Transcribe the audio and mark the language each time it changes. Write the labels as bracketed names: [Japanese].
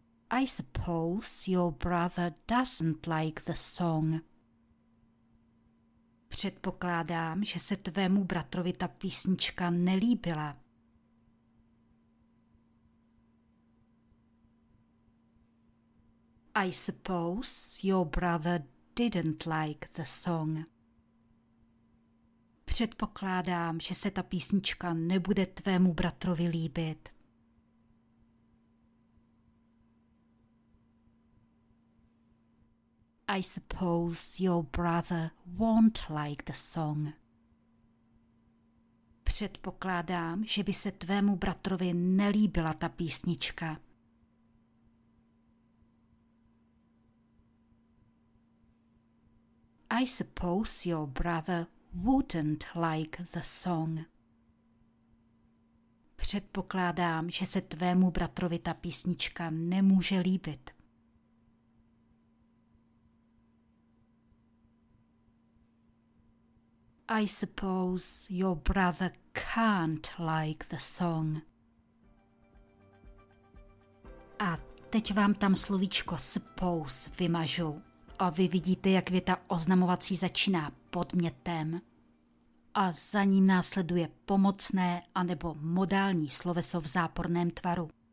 [English] I suppose your brother doesn't like the song. [Czech] Předpokládám, že se tvému bratrovi ta písnička nelíbila. [English] I suppose your brother didn't like the song. [Czech] Předpokládám, že se ta písnička nebude tvému bratrovi líbit. [English] I suppose your brother won't like the song. [Czech] Předpokládám, že by se tvému bratrovi nelíbila ta písnička. [English] I suppose your brother wouldn't like the song. [Czech] Předpokládám, že se tvému bratrovi ta písnička nemůže líbit. [English] I suppose your brother can't like the song. [Czech] A teď vám tam slovíčko suppose vymažu. A vy vidíte, jak věta oznamovací začíná podmětem. A za ním následuje pomocné anebo modální sloveso v záporném tvaru.